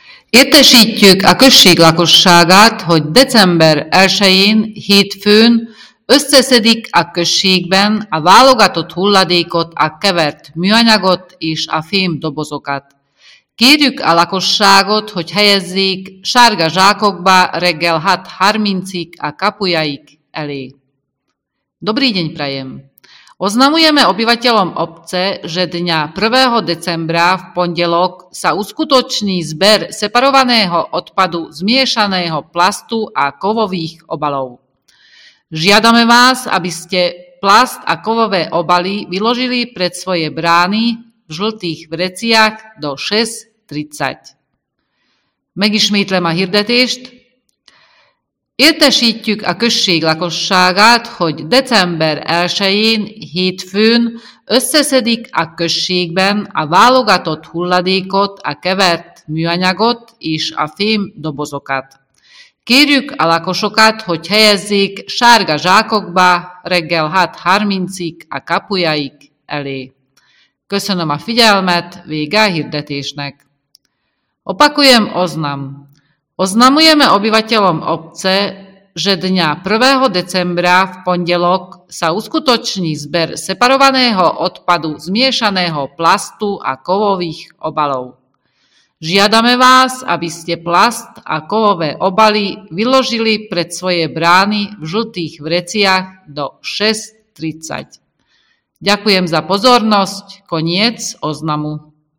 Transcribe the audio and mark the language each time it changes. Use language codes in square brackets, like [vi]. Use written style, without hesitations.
[hu] Értesítjük a község lakosságát, hogy december 1-én, hétfőn összeszedik a községben a válogatott hulladékot, a kevert műanyagot és a fém dobozokat. Kérjük a lakosságot, hogy helyezzék sárga zsákokba reggel 6:30-ig a kapujaik elé. [sk] Dobrý deň prajem! Oznamujeme obyvateľom obce, že dňa 1. decembra v pondelok sa uskutoční zber separovaného odpadu zmiešaného plastu a kovových obalov. Žiadame vás, aby ste plast a kovové obaly vyložili pred svoje brány v žltých vreciach do 6:30. [hu] Megismétlem a hirdetést. Értesítjük a község lakosságát, hogy december 1-én, hétfőn összeszedik a községben a válogatott hulladékot, a kevert műanyagot és a fém dobozokat. Kérjük a lakosokat, hogy helyezzék sárga zsákokba reggel 6:30-ig a kapujaik elé. Köszönöm a figyelmet, vége a hirdetésnek. [sk] Opakujem oznam. Oznamujeme obyvateľom obce, že dňa 1. decembra v pondelok sa uskutoční zber separovaného odpadu zmiešaného plastu a kovových obalov. Žiadame vás, aby ste plast a kovové obaly vyložili pred svoje brány v žltých vreciach do 6:30. Ďakujem za pozornosť. Koniec oznamu.